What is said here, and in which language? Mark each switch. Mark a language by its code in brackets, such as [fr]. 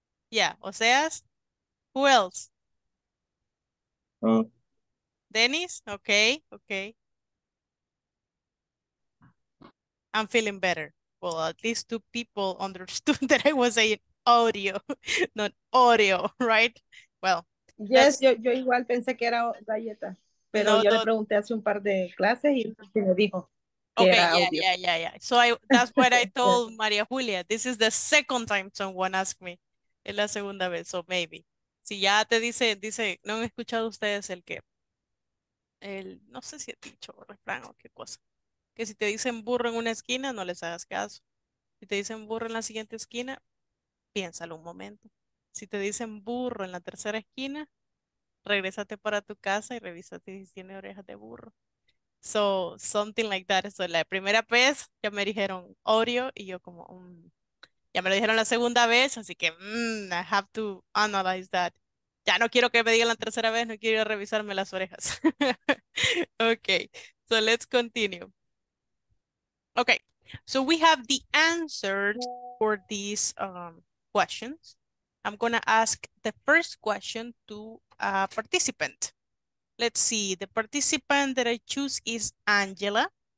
[en] Yeah, [es] o sea, [en] who else? Dennis, okay, okay. I'm feeling better. Well, at least two people understood that I was saying audio, not Oreo, right? Well. [es] Yes, yo igual pensé que era galleta, pero no, yo le pregunté hace un par de clases y me dijo [en] okay, [es] era [en] yeah. So that's what I told Maria Julia. This is the second time someone asked me. [es] Es la segunda vez, [en] so maybe. [es] Si ya te dice, no han escuchado ustedes el que, el, no sé si he dicho refrán o qué cosa. Que si te dicen burro en una esquina, no les hagas caso. Si te dicen burro en la siguiente esquina, piénsalo un momento. Si te dicen burro en la tercera esquina, regrésate para tu casa y revísate si tiene orejas de burro. [en] So, something like that. [es] So, la primera vez ya me dijeron Oreo y yo como, ya me lo dijeron la segunda vez, así que [en] I have to analyze that. [es] Ya no quiero que me digan la tercera vez, no quiero ir a revisarme las orejas. [en] Okay, so let's continue. Okay, so we have the answers for these questions. I'm going to ask the first question to a participant. Let's see, the participant that I choose is Angela.